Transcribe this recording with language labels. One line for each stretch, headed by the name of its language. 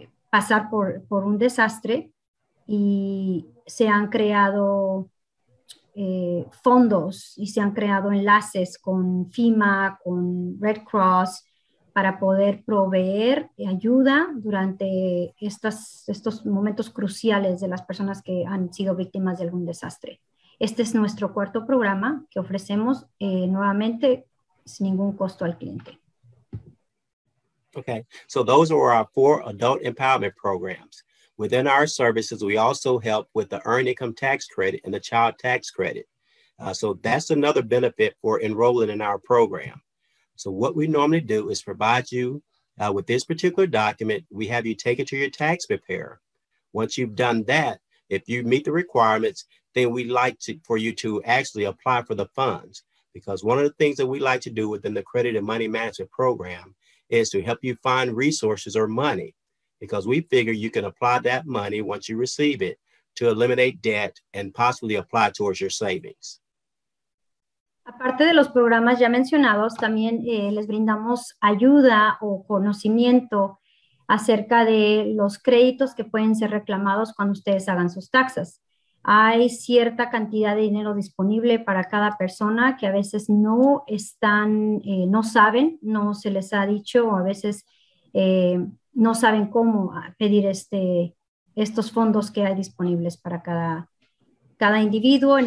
Spanish: pasar por un desastre, y se han creado fondos y se han creado enlaces con FEMA, con Red Cross, para poder proveer ayuda durante estos momentos cruciales de las personas que han sido víctimas de algún desastre. Este es nuestro cuarto programa que ofrecemos nuevamente sin ningún costo al cliente.
English: Okay, so those are our 4 adult empowerment programs. Within our services, we also help with the Earned Income Tax Credit and the Child Tax Credit. So that's another benefit for enrolling in our program. So what we normally do is provide you with this particular document. We have you take it to your tax preparer. Once you've done that, if you meet the requirements, then we'd like to, for you to actually apply for the funds. Because one of the things that we like to do within the Credit and Money Management Program is to help you find resources or money. Because we figure you can apply that money once you receive it to eliminate debt and possibly apply towards your savings.
Spanish: Aparte de los programas ya mencionados, también les brindamos ayuda o conocimiento acerca de los créditos que pueden ser reclamados cuando ustedes hagan sus taxas. Hay cierta cantidad de dinero disponible para cada persona que a veces no están, no saben, no se les ha dicho, o a veces no saben cómo pedir estos fondos que hay disponibles para cada individuo.